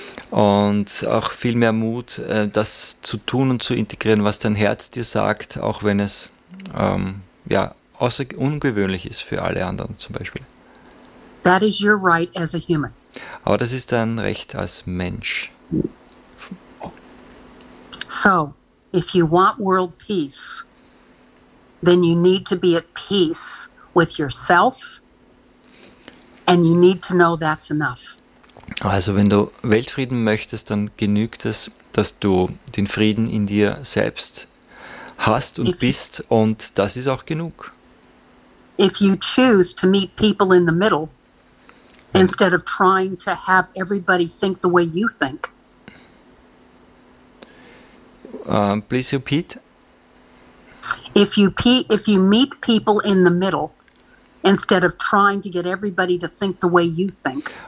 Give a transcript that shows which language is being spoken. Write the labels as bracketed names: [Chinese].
[German] Und auch viel mehr Mut, das zu tun und zu integrieren, was dein Herz dir sagt, auch wenn es ungewöhnlich ist für alle anderen zum Beispiel. [English] That is your right as a human. [German] Aber das ist dein Recht als Mensch. [English] So, if you want world peace, then you need to be at peace with yourself and you need to know that's enough. [German] Also wenn du Weltfrieden möchtest, dann genügt es, dass du den Frieden in dir selbst hast und bist und das ist auch genug. [English] If you choose to meet people in the middle instead of trying to have everybody think the way you think. Please repeat. If you meet people in the middle instead of trying to get everybody to think the way you think.